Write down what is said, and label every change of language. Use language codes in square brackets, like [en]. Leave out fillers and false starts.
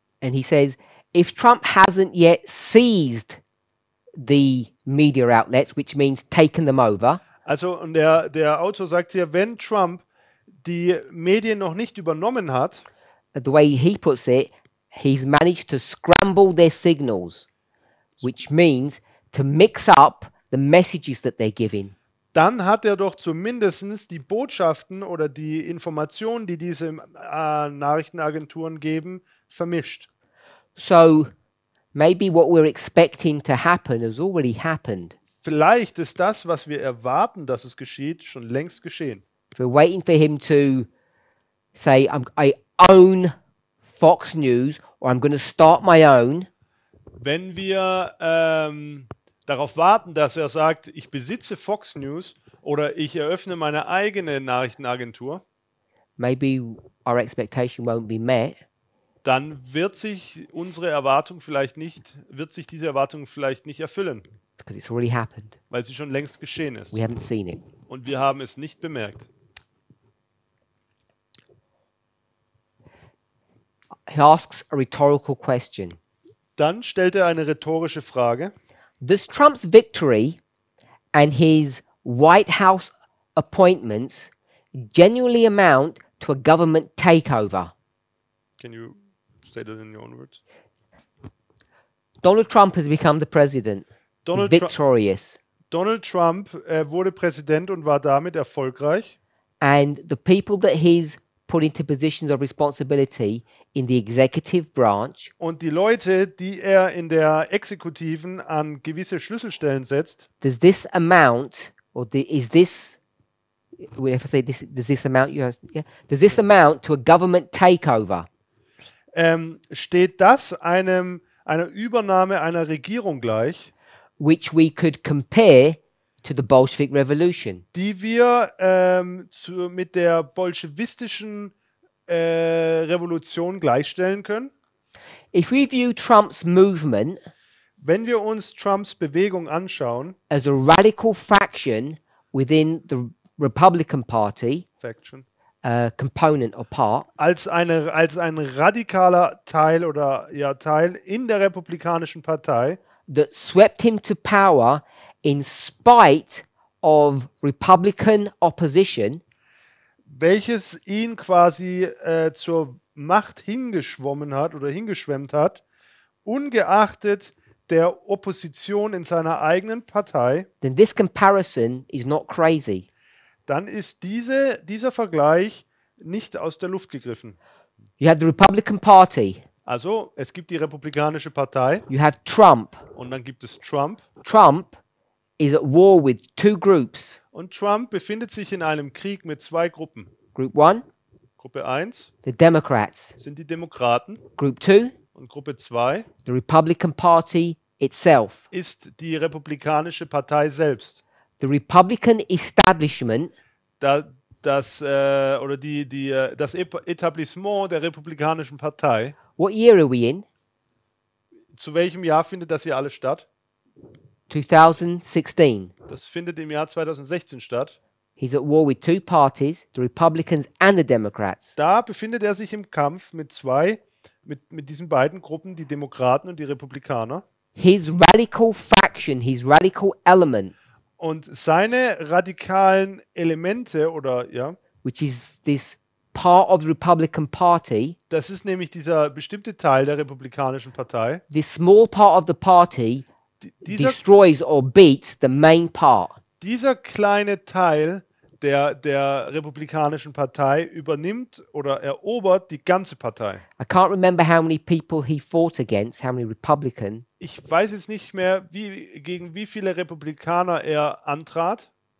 [en] And he says, if Trump hasn't yet seized the media outlets, which means taken them over. [de] Also, und der Autor sagt hier, wenn Trump die Medien noch nicht übernommen hat, [en] the way he puts it, he's managed to scramble their signals, which means to mix up the messages that they're giving. [de] Dann hat er doch zumindest die Botschaften oder die Informationen, die diese Nachrichtenagenturen geben, vermischt. [en] So, maybe what we're expecting to happen has already happened. [de] Vielleicht ist das, was wir erwarten, dass es geschieht, schon längst geschehen. [en] If we're waiting for him to say, I own Fox News or I'm going to start my own. [de] Wenn wir darauf warten, dass er sagt, ich besitze Fox News oder ich eröffne meine eigene Nachrichtenagentur. [en] Maybe our expectation won't be met. [de] Dann wird sich unsere Erwartung vielleicht nicht, wird sich diese Erwartung vielleicht nicht erfüllen. [en] Because it's already happened. [de] Weil sie schon längst geschehen ist. [en] We haven't seen it. [de] Und wir haben es nicht bemerkt. [en] He asks a rhetorical question. [de] Dann stellt er eine rhetorische Frage. [en] Does Trump's victory and his White House appointments genuinely amount to a government takeover? Can you say that in your own words? Donald Trump has become the president. Donald victorious. [de] Donald Trump wurde Präsident und war damit erfolgreich. [en] And the people that he's put into positions of responsibility in the executive branch. [de] Und die Leute, die er in der Exekutiven an gewisse Schlüsselstellen setzt. [en] Does this amount, or is this, if I say this, does this amount, does this amount to a government takeover? [de] Steht das einer Übernahme einer Regierung gleich, [en] which we could compare to the Bolshevik Revolution, [de] die wir mit der bolschewistischen Revolution gleichstellen können? [en] If we view Trump's movement, [de] wenn wir uns Trumps Bewegung anschauen, [en] as a radical faction within the Republican Party, faction. Component or part, [de] als ein radikaler Teil oder ja Teil in der republikanischen Partei, [en] that swept him to power in spite of Republican opposition, [de] welches ihn quasi zur Macht hingeschwommen hat oder hingeschwemmt hat, ungeachtet der Opposition in seiner eigenen Partei, [en] then this comparison is not crazy. [de] Dann ist dieser Vergleich nicht aus der Luft gegriffen. [en] You have the Republican Party. [de] Also, es gibt die republikanische Partei. [en] You have Trump. [de] Und dann gibt es Trump. [en] Trump is at war with two groups. [de] Und Trump befindet sich in einem Krieg mit zwei Gruppen. [en] Group 1. [de] Gruppe 1. [en] The Democrats. [de] Sind die Demokraten. [en] Group 2. [de] Und Gruppe 2. [en] The Republican Party itself. [de] Ist die republikanische Partei selbst. [en] The Republican Establishment, [de] das Etablissement der republikanischen Partei. [en] What year are we in? [de] Zu welchem Jahr findet das hier alles statt? [en] 2016. [de] Das findet im Jahr 2016 statt. [en] He's at war with two parties, the Republicans and the Democrats. [de] Da befindet er sich im Kampf mit zwei, mit diesen beiden Gruppen, die Demokraten und die Republikaner. [en] His radical faction, his radical element. [de] Und seine radikalen Elemente oder ja, [en] which is this part of the Republican Party, [de] das ist nämlich dieser bestimmte Teil der republikanischen Partei, [en] this small part of the party destroys or beats the main part. [de] Dieser kleine Teil der republikanischen Partei übernimmt oder erobert die ganze Partei. [en] I can't remember how many people he fought against, how many Republican. [de] Ich weiß jetzt nicht mehr, gegen wie viele Republikaner er antrat.